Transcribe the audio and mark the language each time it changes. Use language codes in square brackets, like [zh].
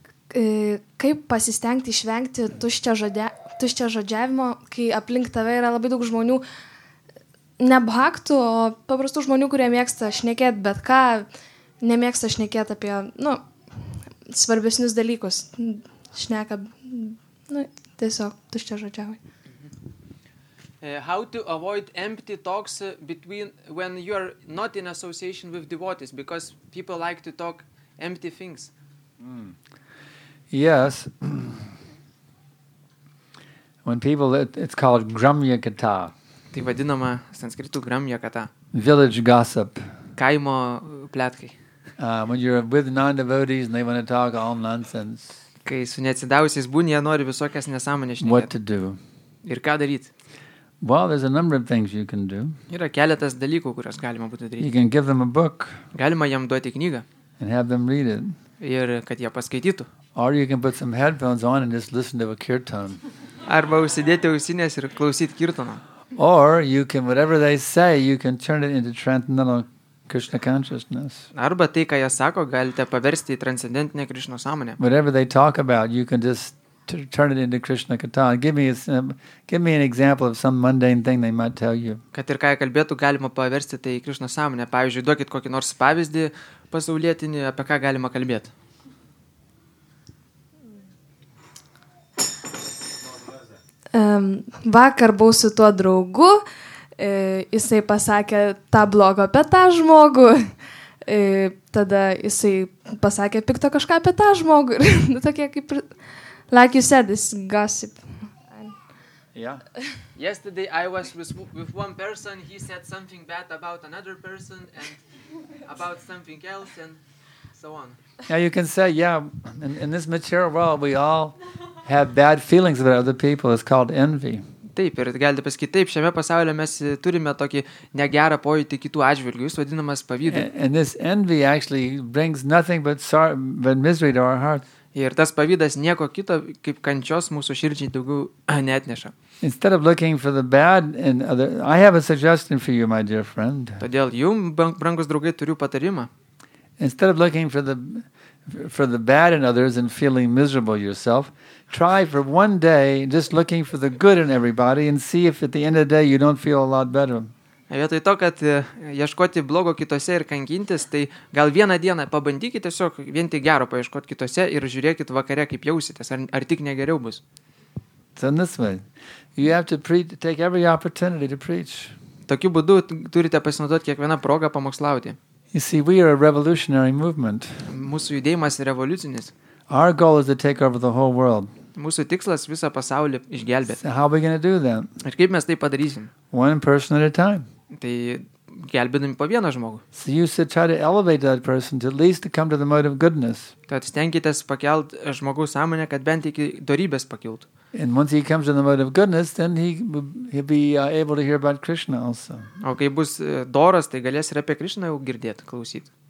[lt] Kaip pasistengti išvengti tuščio žodžiavimo, kai aplink tave yra labai daug žmonių, ne bhaktų, o paprastų žmonių, kurie mėgsta šnekėti bet ką, nemėgsta šnekėti apie, nu, svarbesnius dalykus, šneka, nu, tiesiog tuščio žodžiavimo. [en] How to avoid empty talks between when you are not in association with devotees, because people like to talk empty things. Mm. Yes. When people, it's called gramya kata. [lt] Tai vadinama sanskritu gramya kata. [en] Village gossip. [lt] Kaimo pletkai. [en] When you're with non-devotees and they want to talk all nonsense. [lt] Kai su neatsidavusiais būni, jie nori visokias nesąmonės šnekėti. [en] What to do? [lt] Ir ką daryti? [en] Well, there's a number of things you can do. [lt] Yra keletas dalykų, kuriuos galima būtų daryti. [en] You can give them a book. [lt] Galima jam duoti knygą. [en] And have them read it. [lt] Ir kad jie paskaitytų. [en] Or you can put some headphones on and just listen to a kirtan. [lt] Arba užsidėti ausinės ir klausyti kirtano. [en] Or you can, whatever they say, you can turn it into transcendental Krishna consciousness. [lt] Arba tai, ką jie sako, galite paversti į transcendentinę Krishna sąmonę. [en] Whatever they talk about, you can just turn it into Krishna kata. Give me an example of some mundane thing they might tell you. [lt] Kad ir ką jie kalbėtų, galima paversti tai į Krishna sąmonę. Pavyzdžiui, duokit kokį nors pavyzdį pasaulietinį, apie ką galima kalbėti. Vakar buvau su tuo draugu, jisai pasakė tą blogą apie tą žmogų, tada jisai pasakė pikto kažką apie tą žmogų, ir tokie kaip, [en] like you said, this gossip. Yeah. Yesterday I was with one person, he said something bad about another person and about something else and so on. Yeah, you can say, yeah, in this material world we all have bad feelings about other people. It's called envy. [lt] Taip, ir galite pasakyti, taip, šiame pasaulyje mes turime tokį negerą pojūtį kitų atžvilgių, jis vadinamas pavydu. [en] And this envy actually brings nothing but misery to our hearts. [lt] Ir tas pavydas nieko kito kaip kančios mūsų širdžiai daugiau neatneša. [en] Instead of looking for the bad in other, I have a suggestion for you, my dear friend. [lt] Todėl jums, brangus draugai, turiu patarimą. [en] Instead of looking for the bad in others and feeling miserable yourself, try for one day just looking for the good in everybody and see if at the end of the day you don't feel a lot better. [lt] Vietoj to, kad ieškoti blogo kitose ir kankintis, tai gal vieną dieną pabandykite tiesiog vien tik gero paieškoti kitose ir žiūrėkit vakare, kaip jausitės, ar tik negeriau bus. [en] So in this way, you have to take every opportunity to preach. [lt] Tokiu būdu turite pasinaudoti kiekvieną progą pamokslauti. [en] You see, we are a revolutionary movement. [lt] Mūsų judėjimas revoliucinis. [en] Our goal is to take over the whole world. [lt] Mūsų tikslas visą pasaulį išgelbėti. [en] So how are we going to do that? [lt] Ir kaip mes tai padarysim? [en] One person at a time. [lt] Tai gelbėdami po vieną žmogų. [en] So you should try to elevate that person to at least to come to the mode of goodness. [lt] Tad stengitės pakelti žmogų sąmonę, kad bent iki dorybės pakiltų. [en] And once he comes to the mode of goodness, then he'll be able to hear about Krishna also. [lt] O kai bus doras, tai galės ir apie Krishna jau girdėti, klausyti.